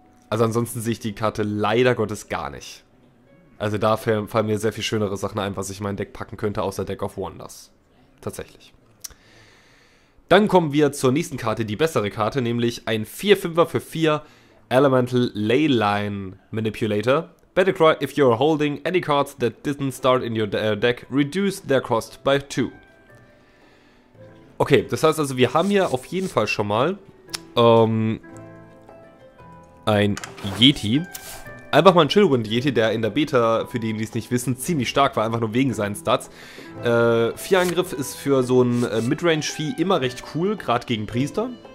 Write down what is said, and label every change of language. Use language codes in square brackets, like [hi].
[de] Also ansonsten sehe ich die Karte leider Gottes gar nicht. Also da fallen mir sehr viel schönere Sachen ein, was ich in mein Deck packen könnte, außer Deck of Wonders. Tatsächlich. Dann kommen wir zur nächsten Karte, die bessere Karte, nämlich ein 4-5er für 4 Elemental Leyline Manipulator. [en] Battlecry, if you're holding any cards that didn't start in your deck, reduce their cost by 2. [de] Okay, das heißt also, wir haben hier auf jeden Fall schon mal ein Yeti. Einfach mal ein Chillwind Yeti, der in der Beta, für die es nicht wissen, ziemlich stark war, einfach nur wegen seinen Stats. 4 Angriff ist für so ein Midrange-Vieh immer recht cool, gerade gegen Priester.